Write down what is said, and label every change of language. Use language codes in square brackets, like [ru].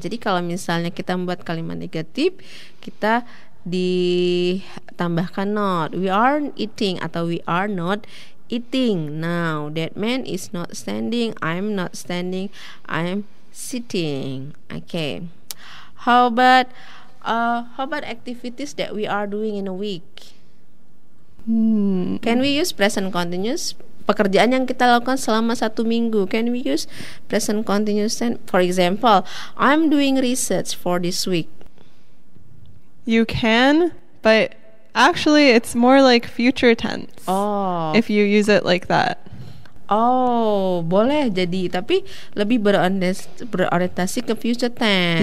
[id] Jadi kalau misalnya kita membuat kalimat negatif, kita ditambahkan not. [en] We aren't eating atau we are not eating. Now, that man is not standing. I'm not standing. I'm sitting. Okay. How about activities that we are doing in a week? Can we use present continuous? [id] Pekerjaan yang kita lakukan selama satu minggu. [en] Can we use present continuous? For example, I'm doing research for this week. You can, but actually it's more like future tense. Oh. If you use it like that. [id] Oh, boleh jadi, tapi lebih berorientasi ke future tense.